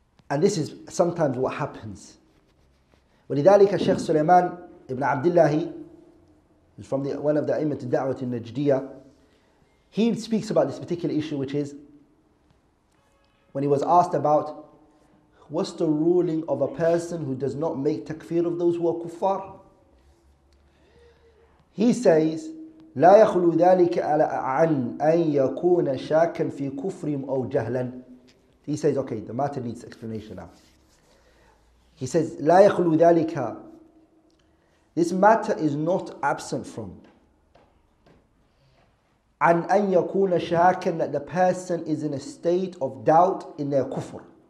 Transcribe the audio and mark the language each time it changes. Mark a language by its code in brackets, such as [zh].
[en] And this is sometimes what happens. [ar] ولذلك [en] Sheikh Sulaiman ibn Abdullahi, who's from one of the Imam to Da'wah in Najdiya, he speaks about this particular issue, which is when he was asked about what's the ruling of a person who does not make takfir of those who are kuffar. He says, [ar] لا يخلو ذلك على عن أن يكون شاكا في كفرهم أو جهلا. [en] He says, okay, the matter needs explanation now. He says, [ar] لا يخلو ذلك. [en] This matter is not absent from [ar] عن أن يكون شاكاً [en] that the person is in a state of doubt in their kufr.